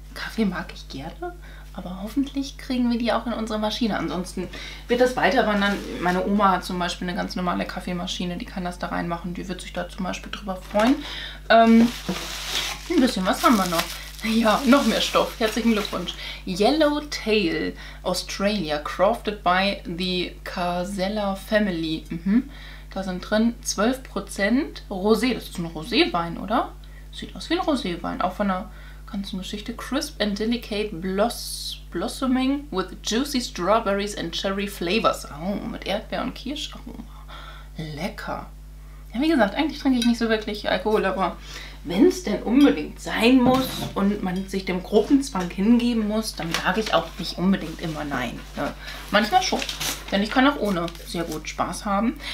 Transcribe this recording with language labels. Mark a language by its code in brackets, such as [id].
[de] Kaffee mag ich gerne. Aber hoffentlich kriegen wir die auch in unsere Maschine. Ansonsten wird das weiter wandern. Meine Oma hat zum Beispiel eine ganz normale Kaffeemaschine. Die kann das da reinmachen. Die wird sich da zum Beispiel drüber freuen. Ein bisschen was haben wir noch. Ja, noch mehr Stoff. Herzlichen Glückwunsch. [en] Yellowtail Australia, crafted by the Casella Family. [de] Mhm. Da sind drin 12% Rosé. Das ist ein Roséwein, oder? Sieht aus wie ein Roséwein. Auch von einer ganzen Geschichte. [en] Crisp and delicate blossoming with juicy strawberries and cherry flavors. [de] Oh, mit Erdbeer und Kirscharoma. Lecker. Ja, wie gesagt, eigentlich trinke ich nicht so wirklich Alkohol, aber wenn es denn unbedingt sein muss und man sich dem Gruppenzwang hingeben muss, dann sage ich auch nicht unbedingt immer nein. Ja, manchmal schon, denn ich kann auch ohne sehr gut Spaß haben.